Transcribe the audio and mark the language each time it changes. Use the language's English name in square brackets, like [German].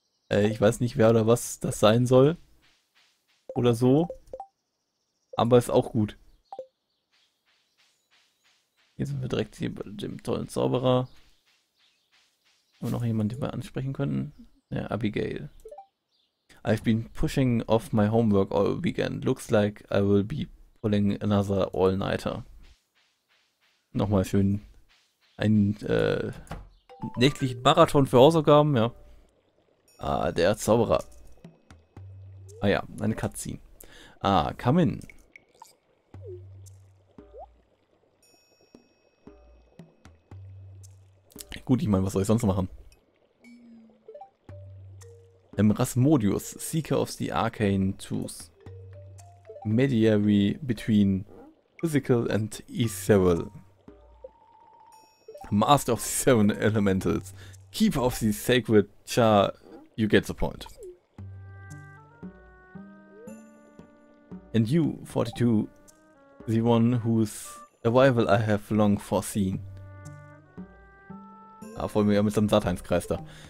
[German] ich weiß nicht, wer oder was das sein soll. Oder so. Aber ist auch gut. Hier sind wir direkt hier bei dem tollen Zauberer. Haben wir noch jemanden, den wir ansprechen können? Ja, Abigail. [English] I've been pushing off my homework all weekend. Looks like I will be pulling another all-nighter. [German] Nochmal schön einen nächtlichen Marathon für Hausaufgaben, ja. Ah, der Zauberer. Ah ja, eine Cutscene. Ah, [English] come in. [German] Gut, ich meine, was soll ich sonst machen? [English] Rasmodius, Seeker of the Arcane Truth. Mediary between physical and ethereal. Master of the Seven Elementals. Keeper of the Sacred Char. You get the point. And you, 42, the one whose arrival I have long foreseen. [German] Ah, vor mir mit so einem Satanskreis da.